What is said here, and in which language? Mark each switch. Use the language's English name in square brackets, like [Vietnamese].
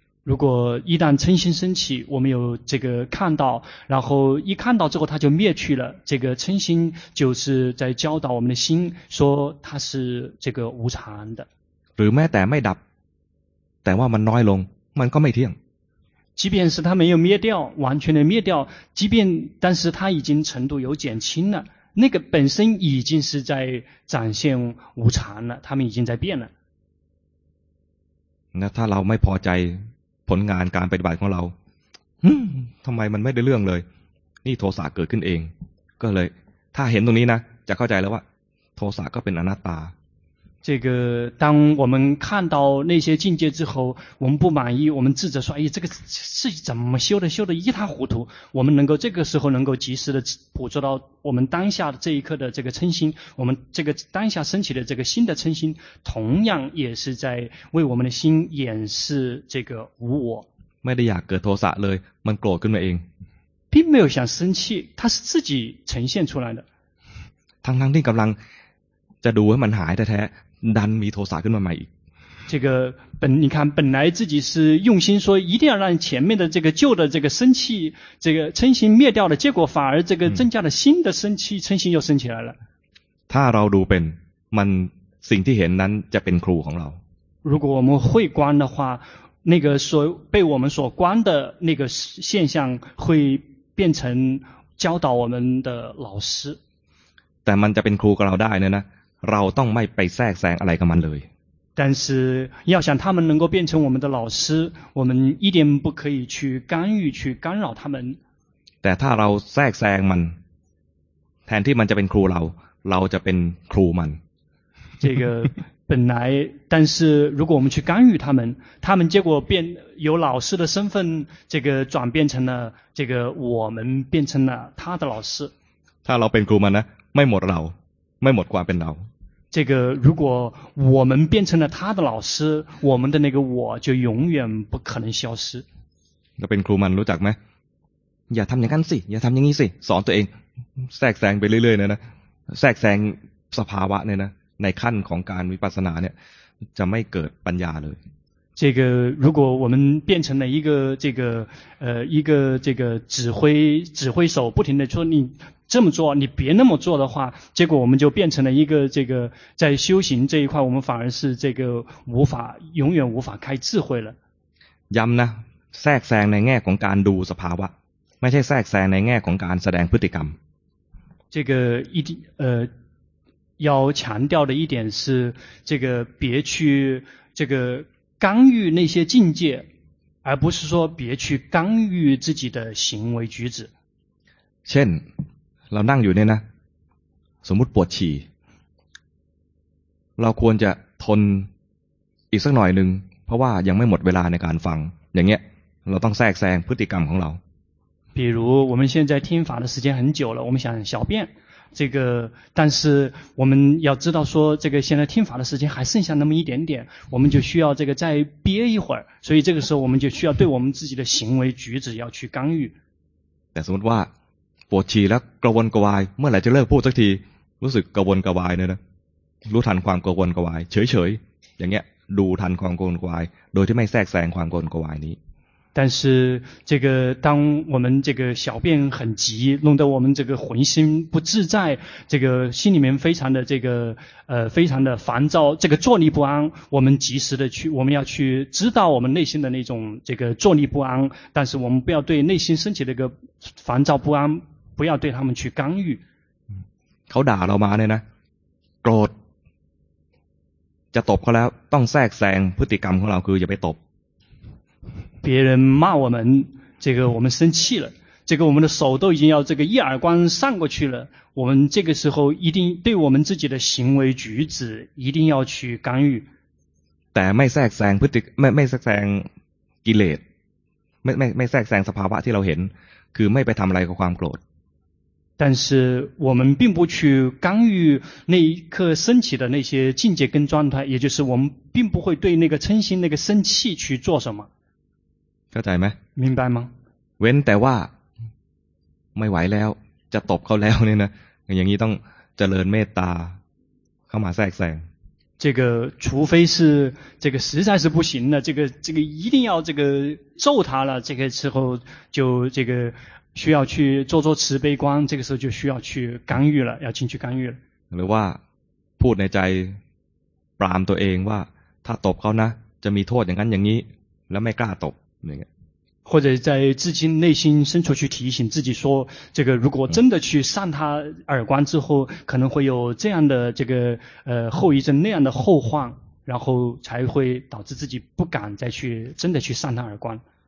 [Chinese] 如果一旦嗔心升起我们有这个看到然后一看到之后它就灭去了这个嗔心就是在教导我们的心说它是这个无常的 [Thai] หรือแม้แต่ไม่ดับแต่ว่ามันน้อยลงมันก็ไม่เที่ยง [Chinese] 即便是它没有灭掉完全的灭掉即便但是它已经程度有减轻了那个本身已经是在展现无常了它们已经在变了那 [Thai] ถ้าเราไม่พอใจผลงานการปฏิบัติของเราทำไมมันไม่ได้เรื่องเลย นี่โทสะเกิดขึ้นเองก็เลยถ้าเห็นตรงนี้นะจะเข้าใจแล้วว่าโทสะก็เป็นอนัตตา [Chinese] 这个当我们看到那些境界之后我们不满意我们自责说哎这个是怎么修的修的一塌糊涂我们能够这个时候能够及时的捕捉到我们当下这一刻的这个嗔心我们这个当下升起的这个新的嗔心同样也是在为我们的心掩饰这个无我 [Thai] ไม่ได้อยากเกิดโทสะเลยมันโกรธขึ้นมาเอง [Chinese] 并没有想生气它是自己呈现出来的 [Thai] ทั้งที่กำลังจะดูให้มันหายแท้ๆดันมีโทสะขึ้นมาใหม่อีก [Chinese] 这个本你看本来自己是用心说一定要让前面的这个旧的这个生气这个嗔心灭掉的结果反而这个增加了新的生气嗔心又升起来了 [Thai] ถ้าเราดูเป็นมันสิ่งที่เห็นนั้นจะเป็นครูของเรา [Chinese] 如果我们会观的话那个所被我们所观的那个现象会变成教导我们的老师 [Thai] แต่มันจะเป็นครูกับเราได้เนี่ยนะเราต้องไม่ไปแทรกแซงอะไรกับมันเลย [Chinese] 但是要想他们能够变成我们的老师我们一点不可以去干预去干扰他们 [Thai] แต่ถ้าเราแทรกแซงมันแทนที่มันจะเป็นครูเราจะเป็นครูมัน [Chinese] 这个本来但是如果我们去干预他们结果变由老师的身份这个转变成了这个我们变成了他的老师 [Thai] ถ้าเราเป็นครูมันนะไม่หมดเราไม่หมดความเป็นเรา [Chinese] 这个如果我们变成了他的老师我们的那个我就永远不可能消失 [Thai] เราเป็นครูมันรู้จักไหมอย่าทำอย่างนั้นสิอย่าทำอย่างนี้สิสอนตัวเองแทรกแซงไปเรื่อยๆนะแทรกแซงสภาวะเนี่ยนะในขั้นของการวิปัสสนาเนี่ยจะไม่เกิดปัญญาเลย [Chinese] 这个如果我们变成了一个这个一个这个指挥手不停的说你这么做你别那么做的话结果我们就变成了一个这个在修行这一块我们反而是这个无法永远无法开智慧了 [Thai] ย้ำนะแทรกแซงในแง่ของการดูสภาวะไม่ใช่แทรกแซงในแง่ของการแสดงพฤติกรรม [Chinese] 这个一定要强调的一点是这个别去这个干预那些境界而不是说别去干预自己的行为举止 [Thai] เช่นเรานั่งอยู่เนี่ยนะสมมุติปวดฉี่เราควรจะทนอีกสักหน่อยนึงเพราะว่ายังไม่หมดเวลาในการฟังอย่างเงี้ยเราต้องแทรกแซงพฤติกรรมของเรา [Chinese] 比如我们现在听法的时间很久了我们想小便这个但是我们要知道说这个现在听法的时间还剩下那么一点点我们就需要这个再憋一会儿所以这个时候我们就需要对我们自己的行为举止要去干预 [Thai] แต่สมมติว่าปวดฉี่แล้วกระวนกระวายเมื่อไหร่จะเลิกพูดสักทีรู้สึกกระวนกระวายเนี่ยนะรู้ทันความกระวนกระวายเฉยๆอย่างเงี้ยดูทันความกระวนกระวายโดยที่ไม่แทรกแซงความกระวนกระวายนี้ [Chinese] 但是这个当我们这个小便很急弄得我们这个浑身不自在这个心里面非常的这个非常的烦躁这个坐立不安我们及时的去我们要去知道我们内心的那种这个坐立不安但是我们不要对内心升起的一个烦躁不安不要对他们去干预 [Thai] เขาด่าเรามาเนี่ยนะโกรธจะตบเขาแล้วต้องแทรกแซงพฤติกรรมของเราคืออย่าไปตบ [Chinese] 别人骂我们这个我们生气了这个我们的手都已经要这个一耳光上过去了我们这个时候一定对我们自己的行为举止一定要去干预但 [Thai] ไม่แทรกแซงพฤติไม่แทรกแซงกิเลสไม่แทรกแซงสภาวะที่เราเห็นคือไม่ไปทำอะไรกับความโกรธ [Chinese] 但是我们并不去干预那一刻升起的那些境界跟状态也就是我们并不会对那个嗔心那个生气去做什么 [Thai] เข้าใจไหม [Chinese] 明白吗 [Thai] เว้นแต่ว่าไม่ไหวแล้วจะตบเขาแล้วเนี่ยนะอย่างนี้ต้องเจริญเมตตาเข้ามาแทรกแซง [Chinese] 这个除非是这个实在是不行了这个一定要这个揍他了这个时候就这个需要去做做慈悲观这个时候就需要去干预了要进去干预了 [Thai] หรือว่าพูดในใจปรามตัวเองว่าถ้าตบเขานะจะมีโทษอย่างนั้นอย่างนี้แล้วไม่กล้าตบ [Chinese] 或者在自己内心深处去提醒自己说这个如果真的去扇他耳光之后可能会有这样的这个后遗症那样的后患然后才会导致自己不敢再去真的去扇他耳光